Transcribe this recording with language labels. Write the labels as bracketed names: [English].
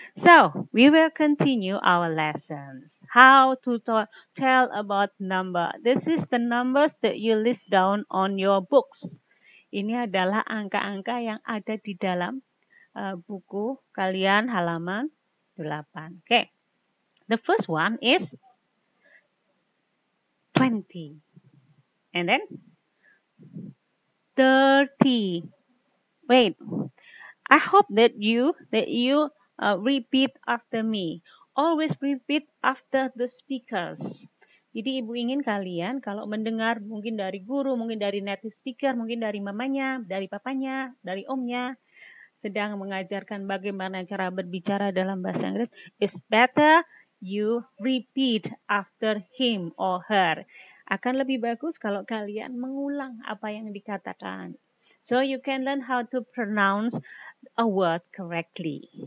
[English] So, we will continue our lessons. How to tell about number. This is the numbers that you list down on your books. [Indonesian] Ini adalah angka-angka yang ada di dalam buku kalian halaman 8. [English] Okay. The first one is 20. And then 30. Wait. I hope that you repeat after me. Always repeat after the speakers. [Indonesian] Jadi Ibu ingin kalian kalau mendengar mungkin dari guru, mungkin dari native speaker, mungkin dari mamanya, dari papanya, dari omnya sedang mengajarkan bagaimana cara berbicara dalam bahasa Inggris, [English] it's better you repeat after him or her. [Indonesian] Akan lebih bagus kalau kalian mengulang apa yang dikatakan. [English] So you can learn how to pronounce a word correctly.